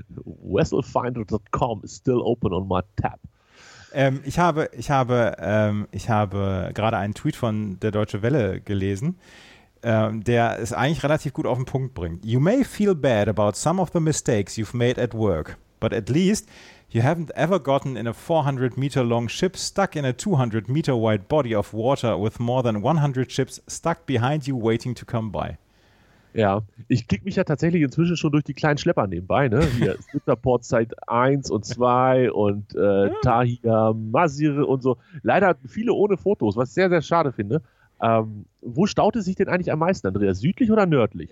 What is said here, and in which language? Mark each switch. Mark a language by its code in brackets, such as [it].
[en] Wesselfinder.com is still open on my tab. [de] Ich habe gerade einen Tweet von der Deutsche Welle gelesen, der es eigentlich relativ gut auf den Punkt bringt. [en] You may feel bad about some of the mistakes you've made at work, but at least you haven't ever gotten in a 400-meter-long ship stuck in a 200-meter-wide body of water with more than 100 ships stuck behind you waiting to come by. [de] Ja, ich klicke mich ja tatsächlich inzwischen schon durch die kleinen Schlepper nebenbei, ne? Hier, Sitterport Zeit 1 und 2 und Tahir Mazir und so. Leider viele ohne Fotos, was ich sehr, sehr schade finde. Wo staut es sich denn eigentlich am meisten, Andreas? Südlich oder nördlich?